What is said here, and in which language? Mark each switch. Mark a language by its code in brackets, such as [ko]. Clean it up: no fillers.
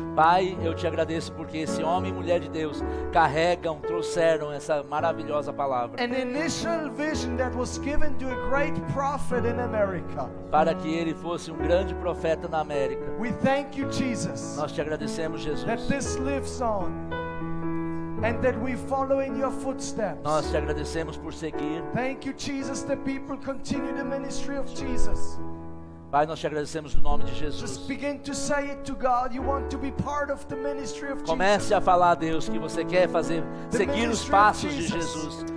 [pt] Pai, eu te agradeço porque esse homem e mulher de Deus carregam, trouxeram essa maravilhosa palavra. [en] An initial vision that was given to a great prophet in America. [pt] Para que ele fosse um grande profeta na América. [en] We thank you, Jesus. [pt] Nós te agradecemos, Jesus. [en] That this lives on. And that we follow in your footsteps. [pt] Nós te agradecemos por seguir. [en] Thank you, Jesus, that people continue the ministry of Jesus. [pt] Pai, nós te agradecemos no nome de Jesus. [en] Just begin to say it to God. You want to be part of the ministry of Jesus. [pt] Comece a falar a Deus que você quer fazer seguir os passos de Jesus.